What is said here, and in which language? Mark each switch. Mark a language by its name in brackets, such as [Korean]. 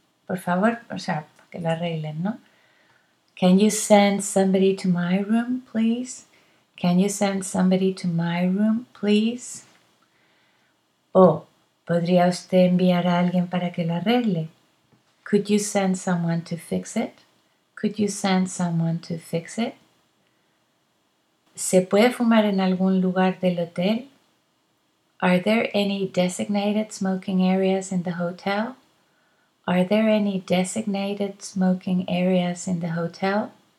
[Spanish] Por favor, o sea, que lo arreglen, ¿no? [English] Can you send somebody to my room, please? Can you send somebody to my room, please? [Spanish] Oh, ¿podría usted enviar a alguien para que lo arregle? [English] Could you send someone to fix it? Could you send someone to fix it? [Spanish] ¿Se puede fumar en algún lugar del hotel? [English] Are there any designated smoking areas in the hotel? Are there any designated smoking areas in the hotel?